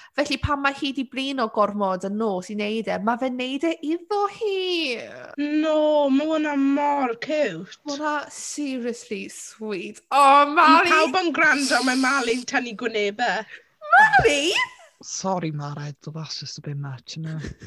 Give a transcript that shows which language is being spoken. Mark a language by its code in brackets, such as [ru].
[cy] Felly pan mae hi di blin o gormod yn nos i wneud e, mae fe'n wneud e iddo hi. No, mae hwnna mor cute. Mae hwnna seriously sweet. Oh, Mali. Pawb yn gwrando, mae Mali'n tynnu gwnebe. Mari? [en] Sorry, Mared, but that's just a bit much, you know.